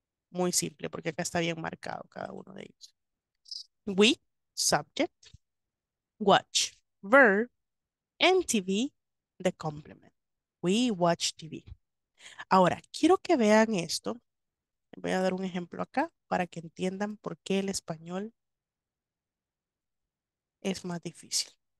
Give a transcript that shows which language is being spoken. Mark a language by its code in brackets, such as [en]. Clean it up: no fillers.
[es] Muy simple, porque acá está bien marcado cada uno de ellos. [en] We, subject, watch, verb, and TV, the complement. We watch TV. [es] Ahora, quiero que vean esto. Voy a dar un ejemplo acá para que entiendan por qué el español es más difícil.